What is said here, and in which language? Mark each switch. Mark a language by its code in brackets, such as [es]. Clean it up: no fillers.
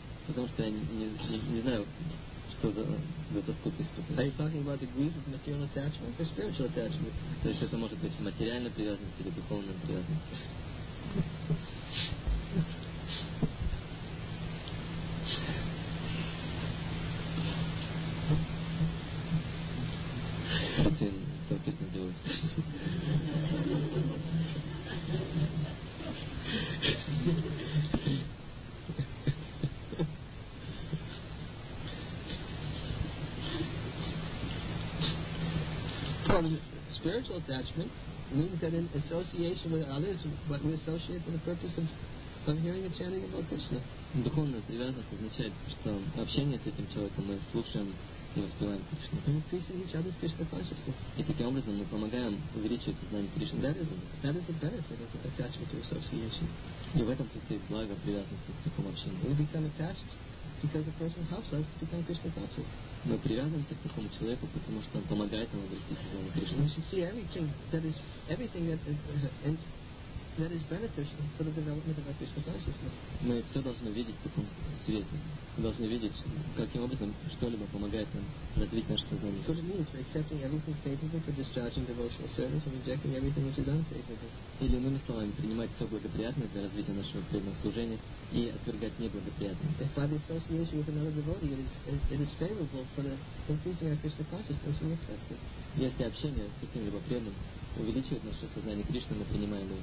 [ru] Потому что я не знаю, что за тоску ты испытываешь. [en] Are you talking about the grief of material attachment or spiritual attachment? [ru] То есть это может быть материальная привязанность или духовная привязанность. Ты совпит не делаешь. [en] Spiritual attachment means that in association with others, but we associate for the purpose of hearing and chanting about Krishna. [ru] Духовная привязанность означает, что общение с этим человеком мы слушаем и воспеваем Кришну. [en] We're increasing each other's Krishna consciousness. [ru] И таким образом мы помогаем увеличивать сознание Кришны. [en] That is the benefit of attachment to association. [ru] И в этом состоит благо привязанности к такому общению. [en] We become attached because the person helps us to become Krishna conscious. [ru] Мы привязываемся к такому человеку, потому что он помогает нам обрести сознание Кришны. [en] We should see everything that is beneficial for the development of our Krishna consciousness. [ru] мы все должны видеть в таком свете. Мы должны видеть, каким образом что-либо помогает нам развить наше сознание. [en] So it means we're accepting everything favorable for discharging devotional service and rejecting everything which is unfavorable. [ru] Или иными словами, принимать все благоприятное для развития нашего преданного служения и отвергать неблагоприятное. [en] If by the association with another devotee, it is favorable for increasing our Krishna consciousness, we accept it. [ru] Если общение с каким-либо преданным увеличивает наше сознание Кришны, мы принимаем его.